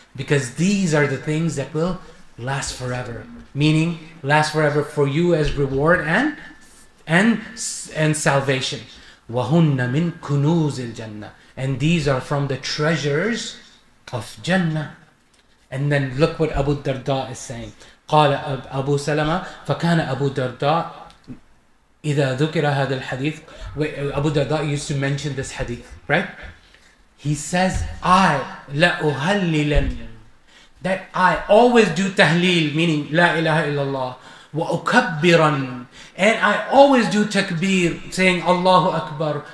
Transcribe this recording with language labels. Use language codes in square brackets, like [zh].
[en] Because these are the things that will last forever. Meaning, last forever for you as reward and salvation. [ar] وَهُنَّ مِنْ كُنُوزِ الْجَنَّةِ. [en] And these are from the treasures of Jannah. And then look what Abu Darda is saying. [ar] قال أبو سلمة فكان أبو درداء إذا ذكر هذا الحديث. [en] Abu Darda used to mention this hadith, right? He says, I [ar] لأهللن. [en] That I always do tahleel, meaning La ilaha illallah. [ar] Wa ukabbiran. [en] And I always do takbir, saying Allahu Akbar.